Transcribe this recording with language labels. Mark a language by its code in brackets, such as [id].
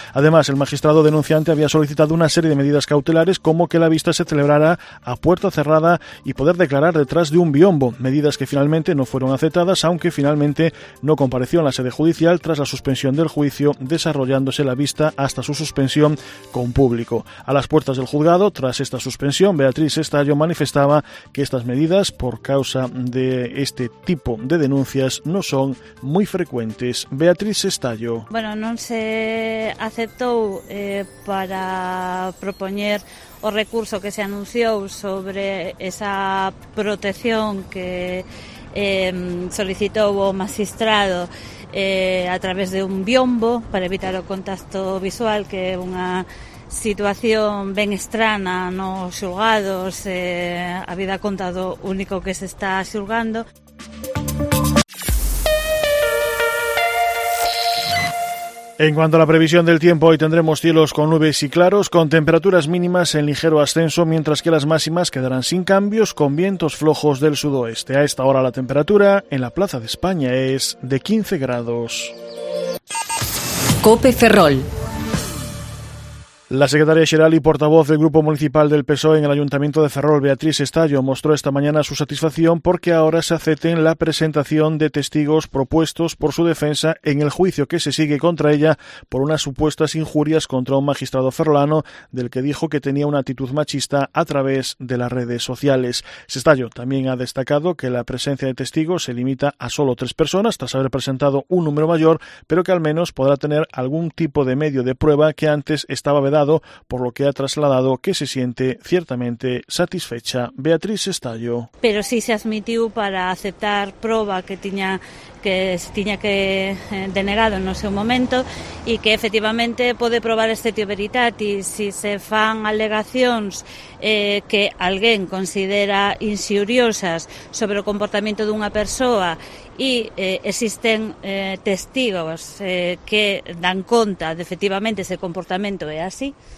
[es] Además, el magistrado denunciante había solicitado una serie de medidas cautelares como que la vista se celebrara a puerta cerrada y poder declarar detrás de un biombo, medidas que finalmente no fueron aceptadas, aunque finalmente no compareció en la sede judicial tras la suspensión del juicio, desarrollándose la vista hasta su suspensión con público. A las puertas del juzgado, tras esta suspensión, Beatriz Estalló manifestaba que estas medidas, por causa de este tipo de denuncias, no son muy frecuentes. Beatriz Estalló. [gl] Bueno, non se aceptou para propoñer o recurso que se anunciou sobre esa protección que solicitou o magistrado a través de un biombo para evitar o contacto visual, que é unha situación ben estrana nos xulgados, habida conta do único que se está xulgando. [es] En cuanto a la previsión del tiempo, hoy tendremos cielos con nubes y claros, con temperaturas mínimas en ligero ascenso, mientras que las máximas quedarán sin cambios, con vientos flojos del sudoeste. A esta hora la temperatura en la Plaza de España es de 15 grados. COPE Ferrol. La secretaria general y portavoz del Grupo Municipal del PSOE en el Ayuntamiento de Ferrol, Beatriz Estalló, mostró esta mañana su satisfacción porque ahora se acepten la presentación de testigos propuestos por su defensa en el juicio que se sigue contra ella por unas supuestas injurias contra un magistrado ferrolano del que dijo que tenía una actitud machista a través de las redes sociales. Estalló también ha destacado que la presencia de testigos se limita a solo 3 personas tras haber presentado un número mayor, pero que al menos podrá tener algún tipo de medio de prueba que antes estaba dado, por lo que ha trasladado que se siente ciertamente satisfecha. Beatriz Estalló. [gl] Pero sí se admitiu para aceptar prova que tiña que denegado no seu momento e que efectivamente pode probar stetio veritatis si se fan alegacións que alguén considera insuriosas sobre o comportamento dunha persoa e existen testigos que dan conta de efectivamente ese comportamento é así,